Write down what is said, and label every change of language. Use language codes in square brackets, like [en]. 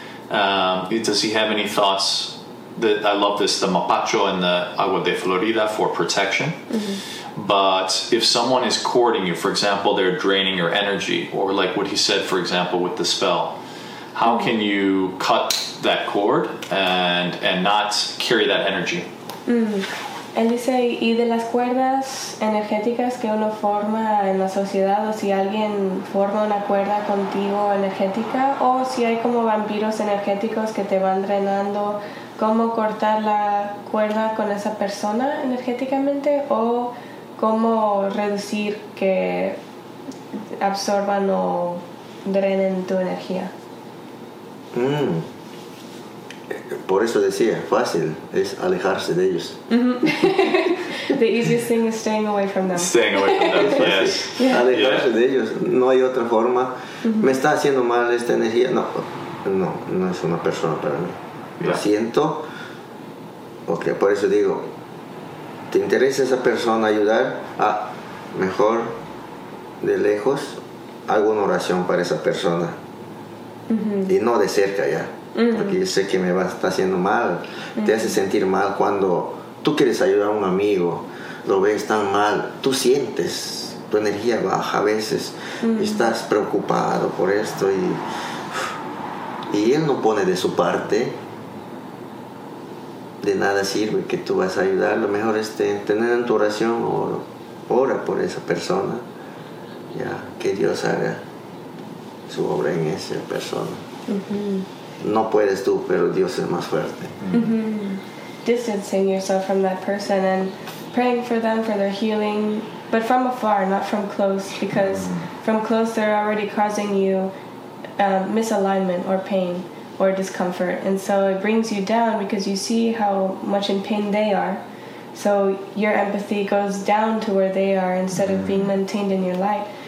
[en] Does he have any thoughts? That I love this, the mapacho and the agua de Florida for protection. But if someone is cording you, for example, they're draining your energy, or like what he said, for example, with the spell, how can you cut that cord and not carry that energy? [es] Él dice, y de las cuerdas energéticas que uno forma en la sociedad, o si alguien forma una cuerda contigo energética, o si hay como vampiros energéticos que te van drenando, ¿cómo cortar la cuerda con esa persona energéticamente? ¿O cómo reducir que absorban o drenen tu energía? Por eso decía, fácil es alejarse de ellos. [en] The easiest thing is staying away from them. Staying away from them, yes. [es] Yeah. Alejarse de ellos, no hay otra forma. Me está haciendo mal esta energía. No es una persona para mí. Lo siento. Ok, por eso digo, ¿te interesa esa persona ayudar? Ah, mejor de lejos hago una oración para esa persona. Y no de cerca ya. Porque yo sé que me va a estar haciendo mal. Te hace sentir mal cuando tú quieres ayudar a un amigo, lo ves tan mal, tú sientes tu energía baja a veces. Estás preocupado por esto y él no pone de su parte. De nada sirve que tú vas a ayudar. Lo mejor es tener en tu oración, ora por esa persona. Ya, que Dios haga su obra en esa persona. No puedes tú, pero Dios es más fuerte. [en] Distancing yourself from that person and praying for them, for their healing, but from afar, not from close, because from close they're already causing you misalignment or pain or discomfort, and so it brings you down because you see how much in pain they are, so your empathy goes down to where they are instead of being maintained in your light.